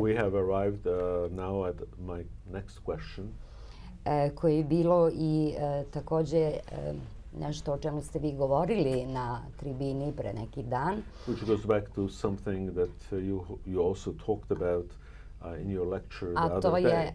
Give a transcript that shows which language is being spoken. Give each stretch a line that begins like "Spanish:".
English: we have arrived now at my next question.
Serbian: Koje je bilo i takođe nešto o čemu ste vi govorili na tribini pre neki dan.
English: Which goes back to something that you also talked about in your lecture the other day.